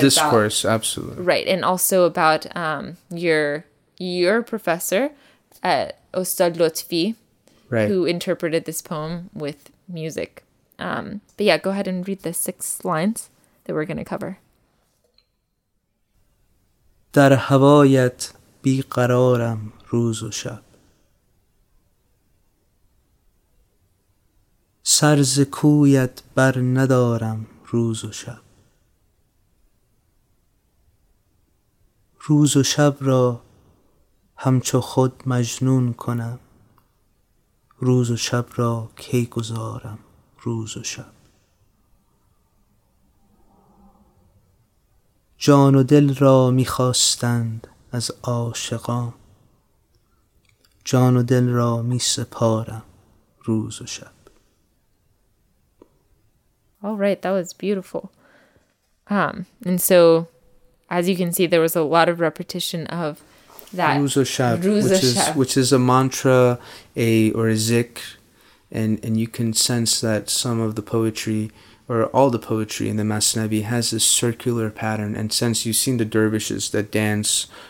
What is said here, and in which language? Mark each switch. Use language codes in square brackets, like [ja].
[en] The discourse, absolutely. Right, and also about your professor, Ostad Lotfi, right, who interpreted this poem with music. But yeah, go ahead and read the six lines that we're going to cover. [fa] در هوایت بیقرارم روز و شب سر ز کویت بر ندارم روز و شب روز و شب را همچو خود مجنون کنم روز و شب را کی گذارم روز و شب جان و دل را میخواستند از عاشقان جان و دل را می سپارم روز و شب. [en] All right, that was beautiful. And so, as you can see, there was a lot of repetition of that. Rooz or shab, which is a mantra, or a zikr. And you can sense that some of the poetry, or all the poetry in the Masnavi, has this circular pattern. And since you've seen the dervishes that dance